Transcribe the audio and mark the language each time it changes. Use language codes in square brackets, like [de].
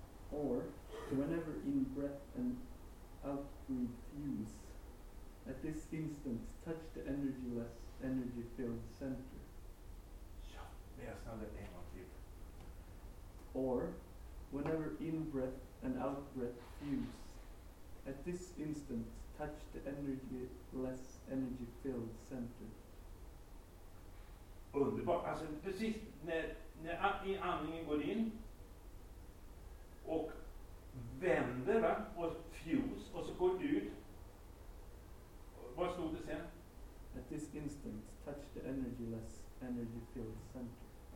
[en] Or, whenever in breath and out breath fuse, at this instant touch the energy-less, energy-filled center. [sv] Ja, det är snarare en gång till. [en] Or, whenever in breath and out breath fuse, at this instant touch the energy-less, energy-filled center. [sv] Underbart, alltså precis när andningen går in och vänder, va? Och fuse, och så går det ut. Vad stod det sen? [en] At this instant, touch the energy-less, energy-filled center.